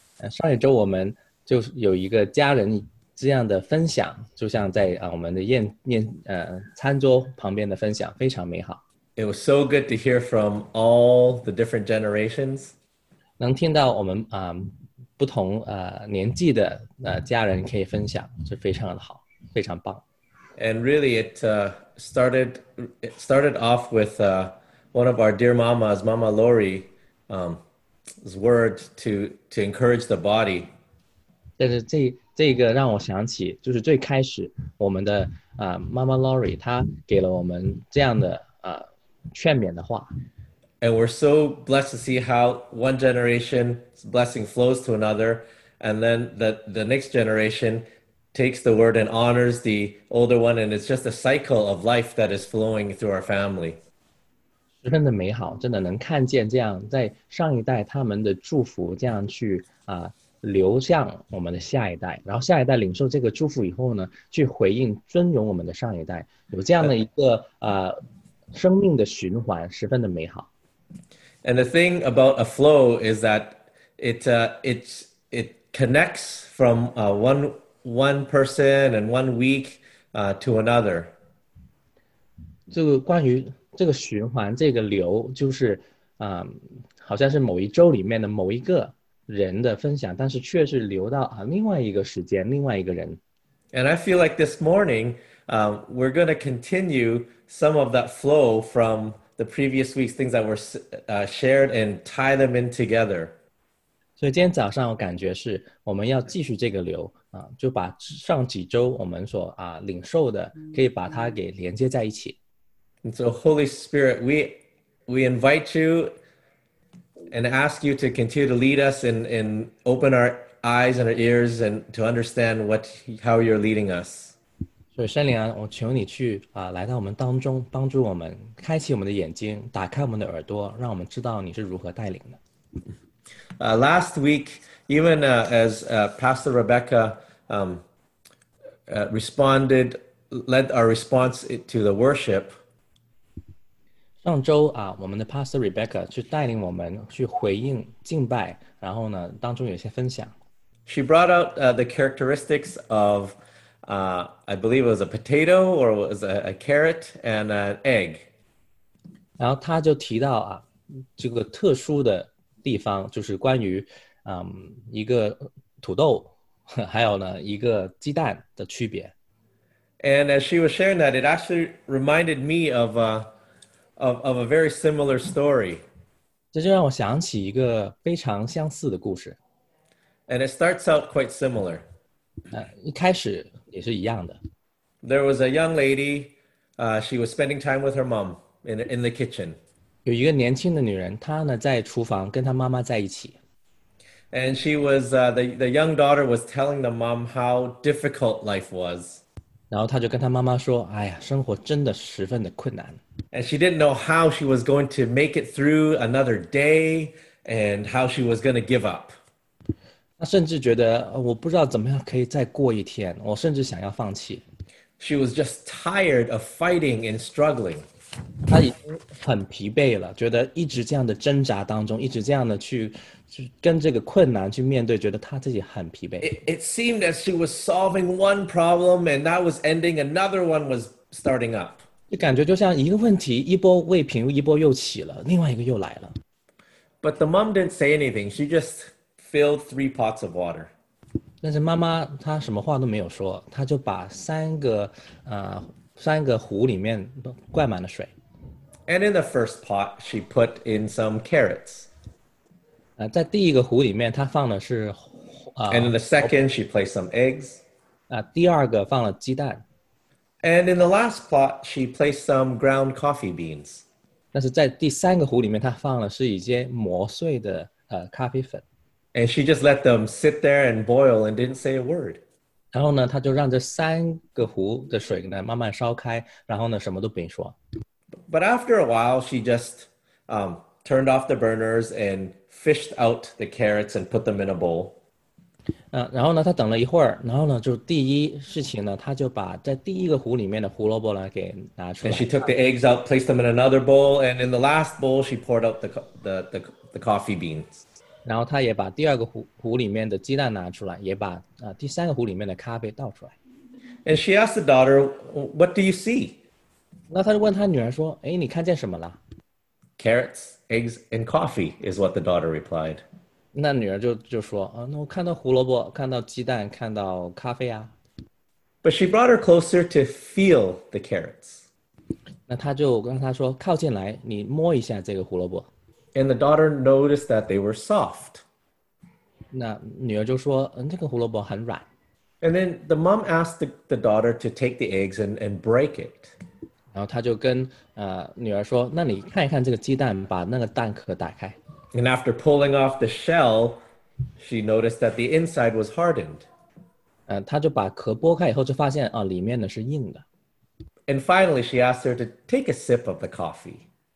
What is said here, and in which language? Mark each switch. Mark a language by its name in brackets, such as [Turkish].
[Chinese] 上一周我们就有一个家人这样的分享，就像在我们的餐桌旁边的分享，非常美好。 [English] It was so good to hear from all the different generations. [Chinese] 能听到我们不同年纪的家人可以分享，是非常的好，非常棒。 [English] And really, it started off with one of our dear mamas, Mama Lori's word to encourage the body. [Chinese] 但是这个让我想起，就是最开始我们的Mama Lori 她给了我们这样的劝勉的话。 [English] And we're so blessed to see how one generation's blessing flows to another, and then the next generation takes the word and honors the older one, and it's just a cycle of life that is flowing through our family. [Chinese] 十分的美好，真的能看见这样，在上一代他们的祝福这样去流向我们的下一代，然后下一代领受这个祝福以后呢，去回应尊荣我们的上一代，有这样的一个生命的循环，十分的美好。 [English] And the thing about a flow is that it connects from one person and one week to another. [Chinese] 这个关于这个循环这个流就是好像是某一周里面的某一个人的分享，但是却是流到另外一个时间，另外一个人。 [English] And I feel like this morning, we're going to continue some of that flow from the previous week's things that were shared and tie them in together. [Chinese] 所以今天早上我感觉是我们要继续这个流就把上几周我们所领受的可以把它给连接在一起。 [English] And so Holy Spirit, we invite you and ask you to continue to lead us and open our eyes and our ears and to understand how you're leading us. [Chinese] 所以圣灵啊，我求你去来到我们当中，帮助我们开启我们的眼睛，打开我们的耳朵，让我们知道你是如何带领的。 [English] Last week, even as Pastor Rebecca responded, led our response to the worship. [Chinese] 上周我们的 Pastor Rebecca 去带领我们去回应敬拜，然后呢，当中有些分享。 [English] She brought out the characteristics of. I believe it was a potato or it was a carrot and an egg. [Chinese] 然后他就提到这个特殊的地方就是关于一个土豆还有呢一个鸡蛋的区别。 [English] And as she was sharing that, it actually reminded me of a very similar story. [Chinese] 这就让我想起一个非常相似的故事。 [English] And it starts out quite similar. [Chinese] 一开始也是一样的。 [English] There was a young lady, she was spending time with her mom in the kitchen. [Chinese] 有一个年轻的女人，她呢在厨房跟她妈妈在一起。 [English] And she was, the young daughter was telling the mom how difficult life was. [Chinese] 然后她就跟她妈妈说，哎呀，生活真的十分的困难。 [English] And she didn't know how she was going to make it through another day and how she was going to give up. [Chinese] 她甚至觉得我不知道怎么样可以再过一天，我甚至想要放弃。 [English] She was just tired of fighting and struggling. [Chinese] 她已经很疲惫了，觉得一直这样的挣扎当中，一直这样的去跟这个困难去面对，觉得她自己很疲惫。 [English] It seemed as she was solving one problem and that was ending, another one was starting up. [Chinese] 就感觉就像一个问题一波未平一波又起了，另外一个又来了。 [English] But the mom didn't say anything. She just... filled three pots of water. [Chinese] 但是妈妈她什么话都没有说，她就把三个壶里面都灌满了水。 [English] And in the first pot, she put in some carrots. [Chinese] 在第一个壶里面她放的是 [English] And in the second, she placed some eggs. [Chinese] 第二个放了鸡蛋。 [English] And in the last pot, she placed some ground coffee beans. [Chinese] 但是在第三个壶里面她放的是一些磨碎的咖啡粉。 [English] And she just let them sit there and boil and didn't say a word. [Chinese] 然后呢，她就让这三个壶的水呢慢慢烧开，然后呢什么都没说。 [English] But after a while, she just turned off the burners and fished out the carrots and put them in a bowl. [Chinese] 然后呢，他等了一会儿，然后呢，就第一事情呢，他就把在第一个壶里面的胡萝卜呢给拿出来。 [English] And she took the eggs out, placed them in another bowl, and in the last bowl, she poured out the coffee beans. [Chinese] 然后他也把第二个壶里面的鸡蛋拿出来，也把第三个壶里面的咖啡倒出来。 [English] And she asked the daughter, "What do you see?" [Chinese] 那他就问他女儿说，哎，你看见什么了 [English] ？Carrots, eggs, and coffee is what the daughter replied. [Chinese] 那女儿就说啊，那我看到胡萝卜，看到鸡蛋，看到咖啡啊。 [English] But she brought her closer to feel the carrots. [Chinese] 那她就跟她说，靠近来，你摸一下这个胡萝卜。 [English] And the daughter noticed that they were soft. [Chinese] 那女儿就说，这个胡萝卜很软。 [English] And then the mom asked the daughter to take the eggs and break it. [Chinese] 然后她就跟女儿说，那你看一看这个鸡蛋，把那个蛋壳打开。 [English] And after pulling off the shell, she noticed that the inside was hardened. [Chinese] 她就把壳剥开以后就发现里面呢是硬的。 [English] And finally, she asked her to take a sip of the coffee.